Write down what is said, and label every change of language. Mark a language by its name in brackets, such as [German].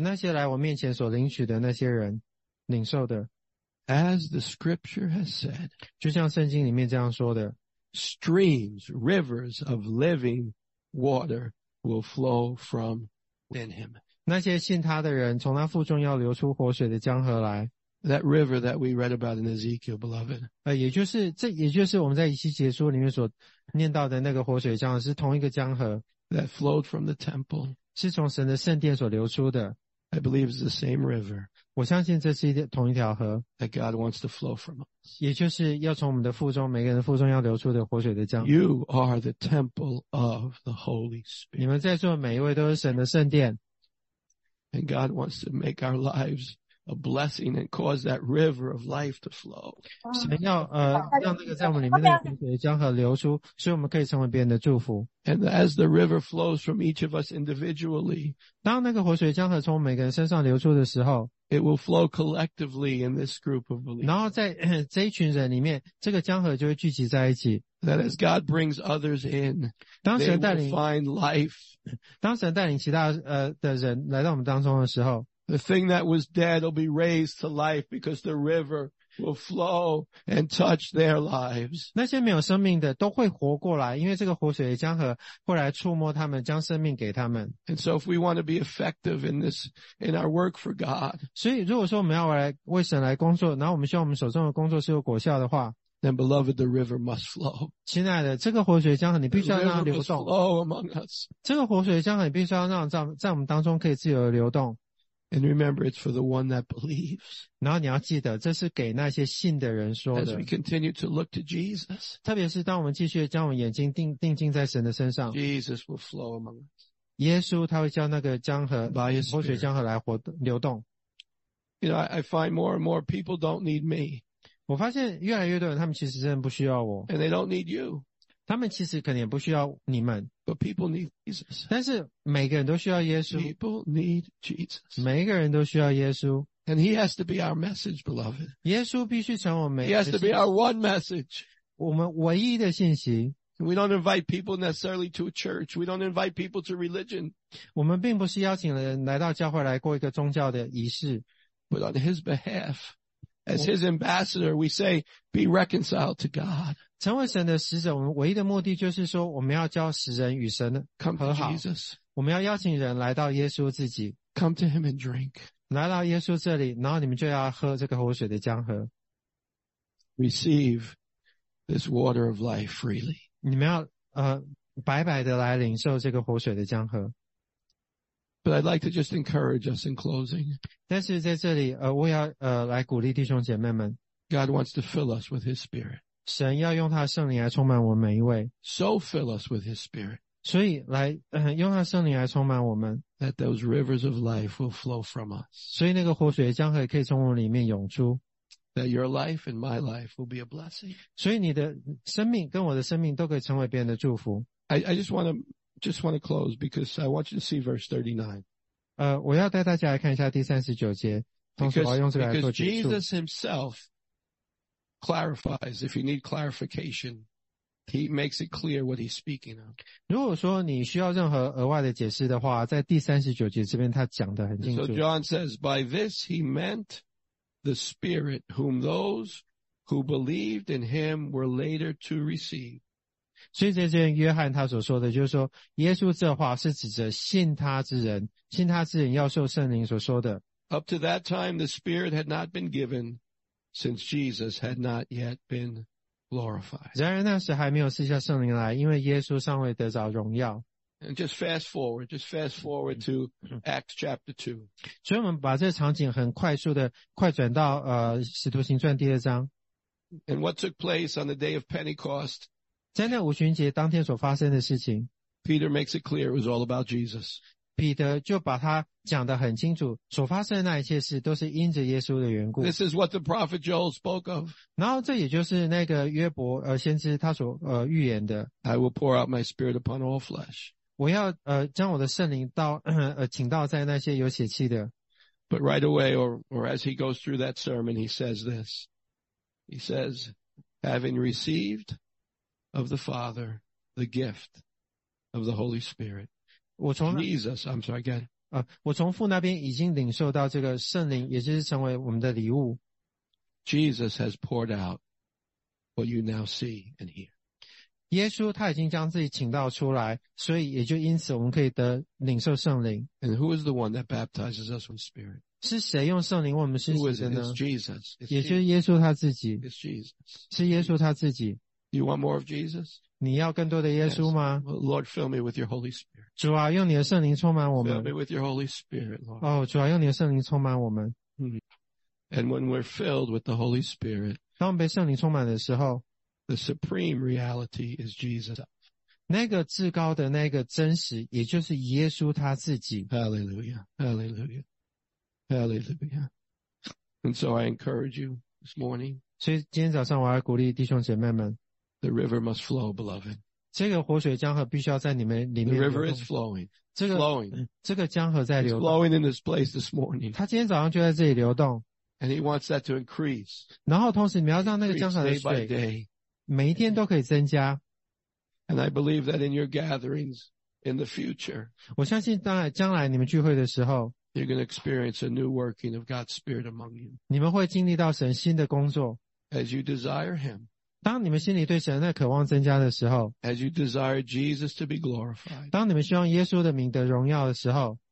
[Chinese] 那些来我面前所领取的那些人，领受的. [English] As the scripture has said, [Chinese] 就像圣经里面这样说的, [English] streams, rivers of living water will flow from within him. [Chinese] 那些信他的人, 从他腹中要流出活水的江河来, [English] that river that we read about in Ezekiel, beloved. [Chinese] 也就是我们在以西结书里面所念到的那个活水江河, 是同一个江河, [English] that flowed from the temple. [Chinese] 是从神的圣殿所流出的, [English] I believe it's the same river. [Chinese] 我相信这是一同一条河。 [English] That God wants to flow from us. [Chinese] 也就是要从我们的腹中，每个人的腹中要流出的活水的江。 [English] You are the temple of the Holy Spirit. [Chinese] 你们在座每一位都是神的圣殿。 [English] And God wants to make our lives a blessing and cause that river of life to flow. [Chinese] 神要让那个在我们里面的活水的江河流出，所以我们可以成为别人的祝福。 [English] And as the river flows from each of us individually, [Chinese] 当那个活水江河从每个人身上流出的时候。 [English] It will flow collectively in this group of believers. [Chinese] 然后在这一群人里面，这个江河就会聚集在一起。 [English] That as God brings others in, [Chinese] 当神带领 [English] they will find life. [Chinese] 当神带领其他的人来到我们当中的时候 [English] ，The thing that was dead will be raised to life because the river will flow and touch their lives. [Chinese] 那些没有生命的都会活过来，因为这个活水的江河会来触摸他们，将生命给他们。 [English] And so, if we want to be effective in this, in our work for God, [Chinese] 所以如果说我们要来为神来工作，然后我们希望我们手中的工作是有果效的话 [English] ，Then beloved, the river must flow. [Chinese] 亲爱的，这个活水的江河你必须要让它流动。 [English] Flow among us. [Chinese] 这个活水的江河你必须要让在我们当中可以自由的流动。 [English] And remember, it's for the one that believes. [Chinese] 然后你要记得，这是给那些信的人说的。 [English] As we continue to look to Jesus, [Chinese] 特别是当我们继续将我们眼睛定睛在神的身上 [English] ，Jesus will flow among us. [Chinese] 耶稣他会将那个江河，活水江河来活流动。 [English] You know, I find more and more people don't need me. [Chinese] 我发现越来越多人，他们其实真的不需要我。 [English] And they don't need you. [Chinese] 他们其实可能也不需要你们。 [English] But people need Jesus. [Chinese] 但是每个人都需要耶稣。 [English] People need Jesus. [Chinese] 每个人都需要耶稣。 [English] And he has to be our message, beloved. [Chinese] 耶稣必须成我们。 [English] He has to be our one message. [Chinese] 我们唯一的信息。 [English] We don't invite people necessarily to a church. We don't invite people to religion. [Chinese] 我们并不是邀请人来到教会来过一个宗教的仪式。 [English] But on his behalf, as his ambassador, we say, be reconciled to God. [Chinese] 成为神的使者，我们唯一的目的就是说，我们要教使人与神和好。我们要邀请人来到耶稣自己。 [English] Come to him and drink. [Chinese] 来到耶稣这里，然后你们就要喝这个活水的江河。 [English] Receive this water of life freely. [Chinese] 你们要白白的来领受这个活水的江河。 [English] But I'd like to just encourage us in closing. [Chinese] 但是在这里，我要来鼓励弟兄姐妹们。 [English] God wants to fill us with His Spirit. [Chinese] 神要用他的圣灵来充满我们每一位。 [English] So fill us with his spirit. [Chinese] 所以来用他的圣灵来充满我们。 [English] That those rivers of life will flow from us. [Chinese] 所以那个活水江河可以从我们里面涌出。 [English] That your life and my life will be a blessing. [Chinese] 所以你的生命跟我的生命都可以成为别人的祝福。 [English] I just want to close because I want you to see verse 39. [Chinese] 我要带大家来看一下第39节。同时我要用这个来做结束。 [English] Because Jesus himself,clarifies, if you need clarification, he makes it clear what he's speaking of. [Chinese] 如果说你需要任何额外的解释的话，在第三十九节这边他讲得很清楚。 [English] So John says, by this he meant the Spirit whom those who believed in him were later to receive. [Chinese] 所以在这边约翰他所说的就是说，耶稣这话是指着信他之人，信他之人要受圣灵所说的。 [English] Up to that time, the Spirit had not been given. Since Jesus had not yet been glorified. [Chinese] 然而那时还没有赐下圣灵来，因为耶稣尚未得着荣耀。 [English] And just fast forward to Acts chapter 2. [Chinese] 所以我们把这个场景很快速的快转到使徒行传第二章。 [English] And what took place on the day of Pentecost? [Chinese] 在那五旬节当天所发生的事情。 [English] Peter makes it clear it was all about Jesus. [Chinese] 彼得就把他讲得很清楚，所发生的那一切事都是因着耶稣的缘故。 [English] This is what the prophet Joel spoke of. [Chinese] 然后这也就是那个约伯先知他所预言的。 [English] I will pour out my spirit upon all flesh. [Chinese] 我要将我的圣灵到倾倒在那些有血气的。 [English] But right away, or as he goes through that sermon, he says this. He says, having received of the Father the gift of the Holy Spirit. Jesus, I'm sorry, again. [Chinese] 我从父那边已经领受到这个圣灵，也就是成为我们的礼物。 [English] Jesus has poured out what you now see and hear. [Chinese] 耶稣他已经将自己倾倒出来，所以也就因此我们可以得领受圣灵。 [English] And who is the one that baptizes us with Spirit? [Chinese] 是谁用圣灵为我们施洗的呢？ [English] Who is it? It's Jesus. It's [Chinese] 也就是耶稣他自己。 [English] It's Jesus. [Chinese] 是耶稣他自己。 [English] You want more of Jesus? [Chinese] 你要更多的耶稣吗 [English] yes, Lord, fill me with your Holy Spirit. [Chinese] 主啊用你的圣灵充满我们 [English] Fill me with your Holy Spirit, Lord. [Chinese] 主啊用你的圣灵充满我们 [English] And when we're filled with the Holy Spirit, [Chinese] 当被圣灵充满的时候, [English] the supreme reality is Jesus. [Chinese] 那个至高的那个真实, 也就是耶稣他自己。 [English] Hallelujah, hallelujah, hallelujah. And so I encourage you this morning. [Chinese] 所以今天早上我要鼓励弟兄姐妹们, [English] the river must flow, beloved. [Chinese] 这个活水江河必须要在你们里面流动。 [English] The river is flowing. [Chinese] 这个, [English] flowing. [Chinese] 这个江河在流动。 [English] It's flowing in this place this morning. [Chinese] 它今天早上就在这里流动。 [English] And he wants that to increase. [Chinese] 然后同时你要让那个江河的水, [English] by day. And I believe that in your gatherings in the future, [Chinese] 我相信将来你们聚会的时候, [English] you're going to experience a new working of God's Spirit among you. [Chinese] 你们会经历到神新的工作, [English] as you desire him. [Chinese] 当你们心里对神的渴望增加的时候, [English] as you desire Jesus to be glorified. [Chinese] 当你们希望耶稣的名得荣耀的时候,